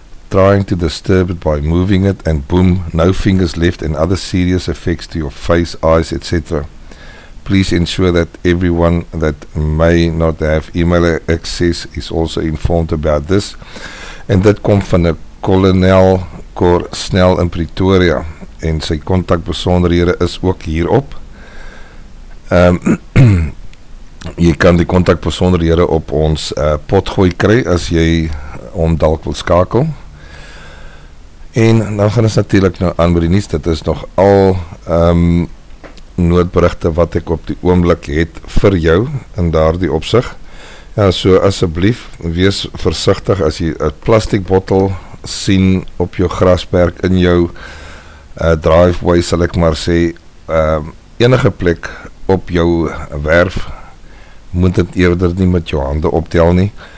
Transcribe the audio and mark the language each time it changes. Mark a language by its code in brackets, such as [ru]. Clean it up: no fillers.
[en] Trying to disturb it by moving it and boom, no fingers left and other serious effects to your face, eyes, etc. Please ensure that everyone that may not have email access is also informed about this. [af] And dit kom van die kolonel Cor Snell in Pretoria. En sy contact besonderhede is ook hierop. jy kan die contact besonderhede op ons potgooi kry as jy om dalk wil skakel. En dan gaan ons natuurlijk nou aan met die nuus. Dit is nog al noodberigte wat ek op die oomblik het vir jou in daardie opsig. Ja, so asseblief, wees versigtig as jy 'n [en] plastic bottle [af] sien op jou grasperk in jou driveway, sal ek maar sê, enige plek op jou werf, moet dit eerder nie met jou hande optel nie.